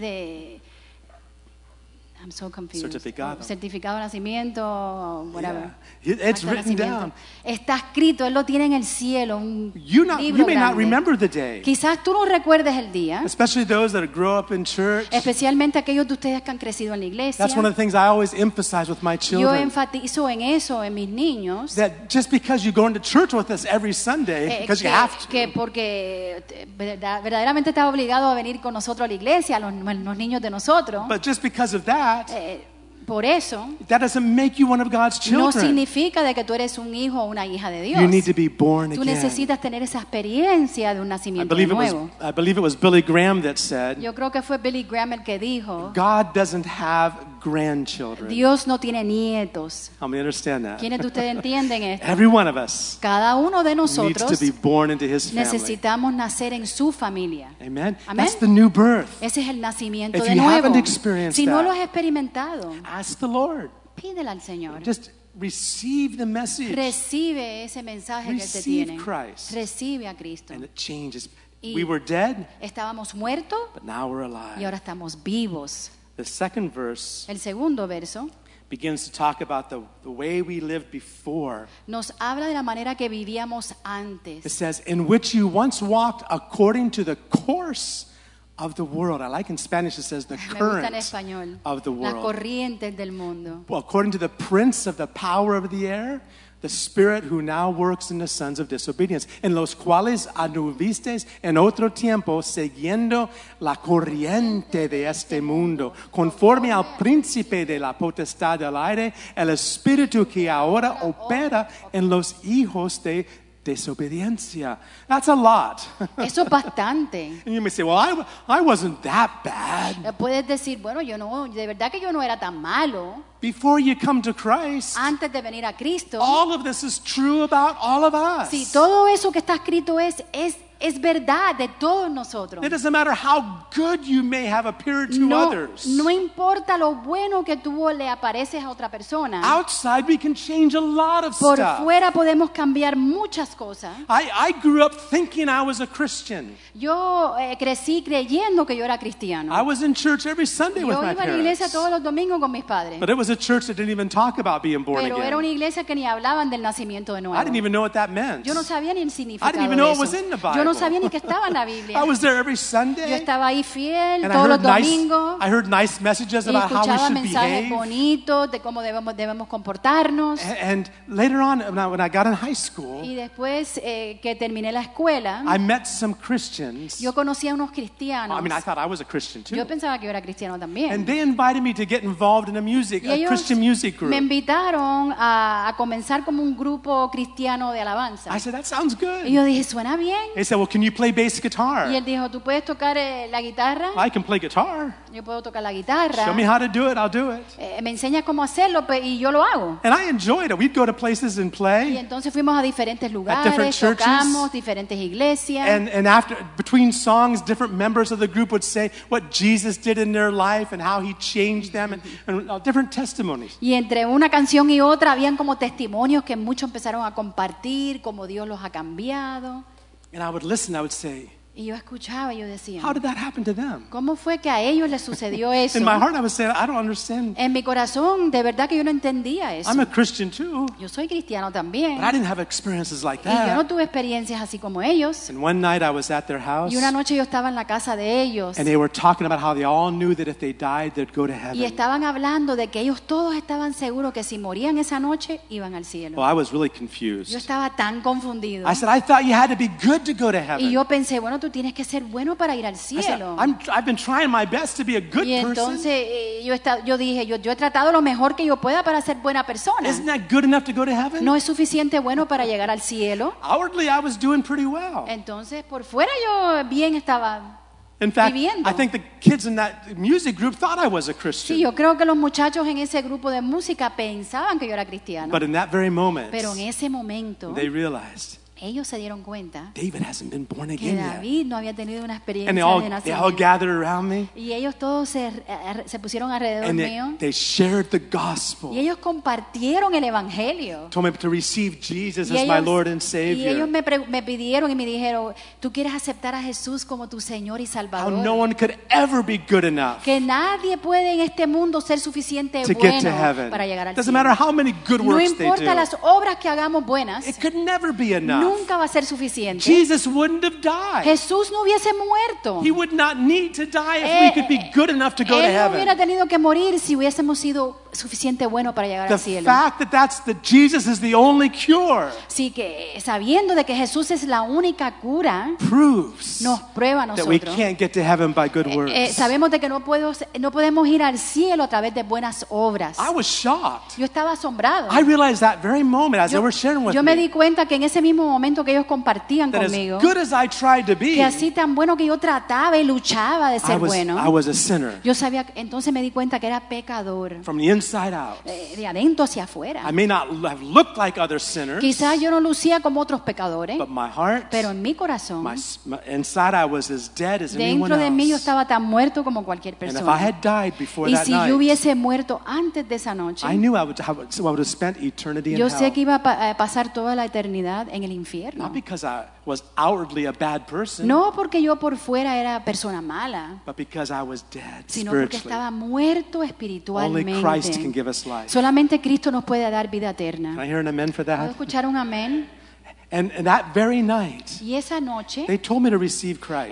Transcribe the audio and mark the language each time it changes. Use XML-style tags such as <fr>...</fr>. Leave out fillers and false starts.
<en>De, I'm so confused.</en> <es>Certificado. Certificado de nacimiento, whatever.</es> <en>Yeah. It's written down.</en> <es>Está escrito, él lo tiene en el cielo, un</es> <en>you not,</en> <es>libro</es> <en>you may</en> <es>grande.</es> <en>Not remember the day.</en> <es>Quizás tú no recuerdes el día.</es> <en>Especially those that grow up in church.</en> <es>Especialmente aquellos de ustedes que han crecido en la iglesia.</es> <en>That's one of the things I always emphasize with my children.</en> <es>Yo enfatizo en eso en mis niños.</es> <en>That just because you go into church with us every Sunday because you have to.</en> <es>Que porque verdaderamente estás obligado a venir con nosotros a la iglesia, los niños de nosotros.</es> <en>But just because of that.</en> <es>por eso,</es> <en>that doesn't make you one of God's children.</en> <es>No significa de que tú eres un hijo o una hija de Dios.</es> <en>You need to be born again.</en> <es>Tú necesitas tener esa experiencia de un nacimiento nuevo.</es> <en>I believe it was Billy Graham that said,</en> <es>yo creo que fue Billy Graham el que dijo,</es> <en>God doesn't have grandchildren.</en> <es>Dios no tiene nietos.</es> <en>How many understand that?</en> <es>¿Quiénes de ustedes entienden esto?</es> <en>Every one of us.</en> <es>Cada uno de nosotros</es> <en>needs to be born into his family.</en> <es>Necesitamos nacer en su familia.</es> <en>Amen. That's the new birth.</en> <es>Ese es el nacimiento</es> <en>if</en> <es>de nuevo.</es> <en>If you haven't experienced</en> <es>si</es> <en>that,</en> <es>no lo has experimentado,</es> <en>ask the Lord.</en> <es>Pídele al Señor.</es> <en>Just receive the message.</en> <es>Recibe ese mensaje</es> <en>receive</en> <es>que te tiene.</es> <en>Receive Christ.</en> <es>Recibe a Cristo.</es> <en>And it changes. We were dead.</en> <es>Estábamos muertos.</es> <en>But now we're alive.</en> <es>Y ahora estamos vivos.</es> <en>The second verse</en> <es>el segundo verso</es> <en>begins to talk about the way we lived before.</en> <es>Nos habla de la manera que vivíamos antes.</es> <en>It says, in which you once walked according to the course of the world. I like in Spanish it says the current of the world.</en> <es>La corriente del mundo.</es> <en>Well, according to the prince of the power of the air, the spirit who now works in the sons of disobedience,</en> <es>en los cuales anduvisteis en otro tiempo siguiendo la corriente de este mundo, conforme al príncipe de la potestad del aire, el espíritu que ahora opera en los hijos de desobediencia.</es> <en>That's a lot.</en> <es>Eso bastante.</es> <en>And you may say, well, I wasn't that bad.</en> <es>Puedes decir, bueno, yo no, de verdad que yo no era tan malo.</es> <en>Before you come to Christ,</en> <es>antes de venir a Cristo,</es> <en>all of this is true about all of us.</en> <es>Si todo eso que está escrito es verdad de todos nosotros.</es> <en>It doesn't matter how good you may have appeared to</en> <es>no,</es> <en>others.</en> <es>No importa lo bueno que tú le apareces a otra persona.</es> <en>Outside we can change a lot of</en> <es>por</es> <en>stuff.</en> <es>Por fuera podemos cambiar muchas cosas.</es> <en>I grew up thinking I was a Christian.</en> <es>Yo crecí creyendo que yo era cristiano.</es> <en>I was in church every Sunday</en> <es>yo</es> <en>with my parents.</en> <es>Yo iba a la iglesia todos los domingos con mis padres.</es> <en>But it was a church that didn't even talk about being born</en> <es>pero</es> <en>again.</en> <es>Pero era una iglesia que ni hablaban del nacimiento de nuevo.</es> <en>I didn't even know what that meant.</en> <es>Yo no sabía ni el significado de eso.</es> <en>I didn't even know it was in the Bible.</en> <es>Yo no sabía ni que estaba en la Biblia.</es> <en>I was there every Sunday.</en> <es>Yo estaba ahí fiel todos los domingos.</es> <en>I heard nice messages about how we should behave.</en> <es>Escuchaba mensajes bonitos de cómo debemos comportarnos.</es> <en>And later on, when I got in high school,</en> <es>y después que terminé la escuela,</es> <en>I met some Christians.</en> <es>Yo conocí a unos cristianos.</es> <en>I mean, I thought I was a Christian too.</en> <es>Yo pensaba que yo era cristiano también.</es> <en>And they invited me to get involved in a Christian music group.</en> <es>Me invitaron a comenzar como un grupo cristiano de alabanza.</es> <en>I said, that sounds good.</en> <es>Y yo dije, suena bien.</es> <en>He said, well, can you play bass guitar?</en> <es>Y él dijo, ¿tú puedes tocar la guitarra?</es> <en>I can play guitar.</en> <es>Yo puedo tocar la guitarra.</es> <en>Show me how to do it, I'll do it.</en> <es>Me enseñas cómo hacerlo, y yo lo hago.</es> <en>And I enjoyed it. We'd go to places and play.</en> <es>Y entonces fuimos a diferentes lugares,</es> <en>at different churches,</en> <es>tocamos diferentes iglesias.</es> <en>And after, between songs, different members of the group would say what Jesus did in their life and how he changed them and different testimonies.</en> <es>Y entre una canción y otra, habían como testimonios que muchos empezaron a compartir, cómo Dios los ha cambiado.</es> <en>And I would listen, I would say,</en> <es>y yo escuchaba, yo decía,</es> <en>how did that happen to them?</en> <es>¿Cómo fue que a ellos les sucedió eso?</es> <en>In my heart I would say, I don't understand.</en> <es>En mi corazón, de verdad que yo no entendía eso.</es> <en>I'm a Christian too.</en> <es>Yo soy cristiano también.</es> <en>But I didn't have experiences like that.</en> <es>Y yo no tuve experiencias así como ellos.</es> <en>And one night I was at their house.</en> <es>Y una noche yo estaba en la casa de ellos.</es> <en>And they were talking about how they all knew that if they died, they'd go to heaven.</en> <es>Y estaban hablando de que ellos todos estaban seguros que si morían esa noche, iban al cielo.</es> <en>Well, I was really confused.</en> <es>Yo estaba tan confundido.</es> <en>I said, I thought you had to be good to go to heaven.</en> <es>Y yo pensé, bueno, tú tienes que ser bueno para ir al cielo.</es> <en>I said, I've been trying my best to be a good</en> <es>y entonces,</es> <en>person.</en> <es>Yo dije, yo he tratado lo mejor que yo pueda para ser buena persona.</es> <en>Isn't that good enough to go to heaven?</en> <es>¿No es suficiente bueno para llegar al cielo?</es> <en>Outwardly, I was doing pretty well.</en> <es>Entonces, por fuera yo bien estaba.</es> <en>In fact,</en> <es>viviendo.</es> <en>I think the kids in that music group thought I was a Christian.</en> <es>Sí, yo creo que los muchachos en ese grupo de música pensaban que yo era cristiano.</es> <en>But in that very moment,</en> <es>pero en ese momento,</es> <en>they realized.</en> <es>Ellos se dieron cuenta</es> <en>David hasn't been born again</en> <es>que David no había tenido una experiencia</es> <en>and all,</en> <es>de nacimiento.</es> <en>They all gathered around me,</en> <es>y ellos todos se pusieron alrededor</es> <en>and</en> <es>mío.</es> <en>They shared the gospel.</en> <es>Y ellos compartieron el evangelio.</es> <en>Told me to receive Jesus as my Lord and Savior.</en> <es>Y ellos me pidieron y me dijeron, ¿tú quieres aceptar a Jesús como tu Señor y Salvador?</es> <en>How no one could ever be good enough.</en> <es>Que nadie puede en este mundo ser suficiente</es> <en>to</en> <es>bueno</es> <en>get to heaven.</en> <es>Para llegar al</es> <en>Doesn't</en> <es>cielo.</es> <en>Matter how many good works</en> <es>no importa</es> <en>they do,</en> <es>las obras que hagamos buenas.</es> <en>It could never be enough.</en> <es>No nunca va a ser suficiente.</es> <en>Jesus wouldn't have died.</en> <es>Jesús no hubiese muerto.</es> <en>He would not need to die if we could be good enough to go to heaven.</en> <es>Él no hubiera tenido que morir si hubiésemos sido suficiente bueno para llegar</es> <en>the</en> <es>al cielo.</es> <en>The fact that that's the Jesus is the only cure.</en> <es>Sí, que sabiendo de que Jesús es la única cura,</es> <en>proves</en> <es>nos prueba a nosotros</es> <en>that we can't get to heaven by good works.</en> <es>Sabemos de que no podemos ir al cielo a través de buenas obras.</es> <en>I was shocked.</en> <es>Yo estaba asombrado.</es> <en>I realized that very moment as they were sharing with</en> <es>me. Yo me di cuenta que en ese mismo momento que ellos compartían</es> <en>that</en> <es>conmigo,</es> <en>as good as I tried to be,</en> <es>que así tan bueno que yo trataba y luchaba de ser bueno,</es> <en>I was a sinner.</en> <es>Yo sabía, entonces me di cuenta que era pecador.</es> <en>From the inside out.</en> <es>De adentro hacia afuera.</es> <en>I may not have looked like other sinners.</en> <es>Quizás yo no lucía como otros pecadores.</es> <en>But my heart,</en> <es>pero en mi corazón,</es> <en>my inside I was as dead as anyone else.</en> <es>De mí yo estaba tan muerto como cualquier persona.</es> <en>And if I had died before</en> <es>y</es> <en>that</en> <es>si</es> <en>night,</en> <es>yo hubiese muerto antes de esa noche,</es> <en>I knew I would have spent eternity in</en> <es>yo</es> <en>hell.</en> <es>Sé que iba a pasar toda la eternidad en el infierno.</es> <en>Not because I was outwardly a bad person.</en> <es>No porque yo por fuera era persona mala.</es> <en>But because I was dead</en> <es>spiritually. Sino porque estaba muerto espiritualmente.</es> <en>Only Christ can give us life.</en> <es>Solamente Cristo nos puede dar vida eterna.</es> <en>Can I hear an amen for that?</en> <es>¿Puedo escuchar un amén?</es> <en>And that very night,</en> <es>y esa noche,</es> <en>they told me to receive Christ.</en>